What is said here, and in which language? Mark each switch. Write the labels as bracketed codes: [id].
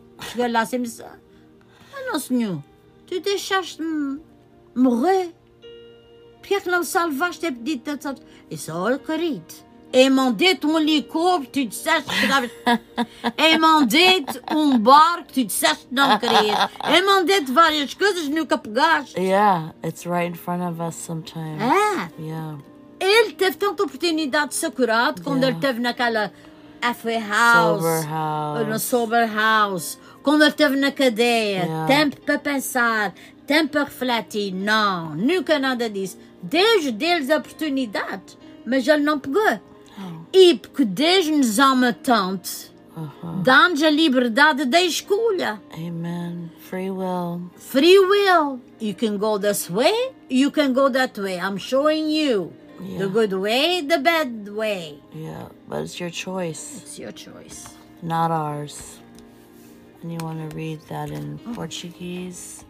[pt] Cheguei lá assim e disse: ah, Nosso Senhor, tu deixaste-me morrer? Por que é que não me salvaste? Eu disse: olha, querido, eu mandei-te um licor, tu disseste que não. Eu mandei-te um barco, tu disseste que não querias. Eu mandei-te várias coisas, nunca pegaste. [en] Yeah, it's right in front of us sometimes. [pt] É? [en] Yeah. [pt] Ele teve tanta oportunidade de ser curado quando ele teve naquela [en] halfway house. Sober house. No sober house. [pt] Quando ele teve na cadeia. [en] Yeah. [pt] Tempo para pensar, tempo para refletir. Não, nunca nada disso. Deus deu-lhes a oportunidade, mas ele não pegou. Oh. E porque Deus nos ama tanto, dá-nos a liberdade da escolha. [en] Amen. Free will. Free will. You can go this way, you can go that way. I'm showing you. Yeah. The good way, the bad way. Yeah, but it's your choice. It's your choice. Not ours. And you want to read that in Portuguese?